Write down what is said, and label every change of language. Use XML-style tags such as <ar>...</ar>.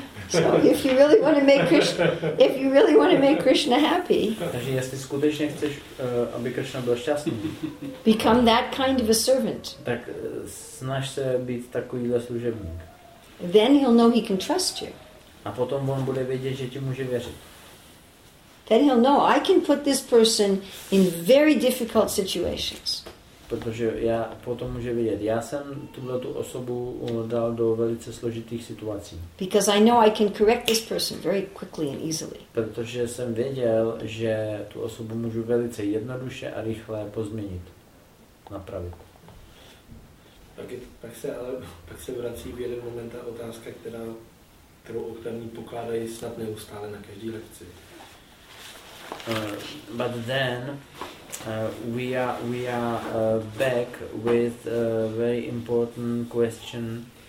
<en>So if you really want to make Krishna, if you really want to make Krishna happy,</en> <cs>takže jestli skutečně chceš, aby Krishna byl šťastný,</cs> <en>become that kind of a servant.</en> <cs>Tak snaž se být takovýhle služebník.</cs> <en>Then he'll know he can trust you.</en> <cs>A potom on bude vědět, že ti může věřit.</cs> <en>Then he'll know I can put this person in very difficult situations.</en> <cs>Protože já potom může vědět, já jsem tuto osobu dal do velice složitých situací.</cs> <en>Because I know I can correct this person very quickly and easily.</en> <cs>Protože jsem věděl, že tu osobu můžu velice jednoduše a rychle pozměnit, napravit. Pak se vrací v jeden moment ta otázka, kterou ochranní pokládají snad neustále na každý lekci.</cs> <en>But then we are back with a very important question</en>